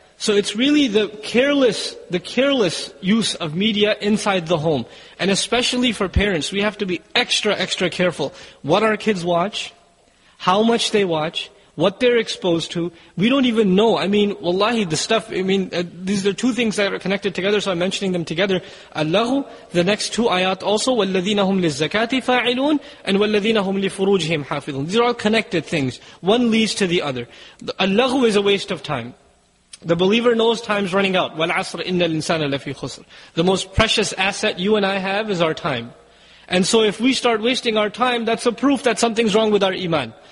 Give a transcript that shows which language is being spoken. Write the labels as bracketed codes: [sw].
[en] So it's really the careless use of media inside the home. And especially for parents, we have to be extra, extra careful. What our kids watch, how much they watch, what they're exposed to, we don't even know. I mean, wallahi, the stuff, I mean, these are two things that are connected together, so I'm mentioning them together. Allahu, the next two ayat also, [ar] وَالَّذِينَ هُمْ لِلزَّكَاةِ فَاعِلُونَ and وَالَّذِينَ هُمْ لِفُرُوجِهِمْ حَافِظُونَ. [en] These are all connected things. One leads to the other. Allahu is a waste of time. The believer knows time's running out. [ar] وَالْعَصْرِ إِنَّ الْإِنسَانَ لَفِي خُسْرِ. [en] The most precious asset you and I have is our time. And so if we start wasting our time, that's a proof that something's wrong with our iman.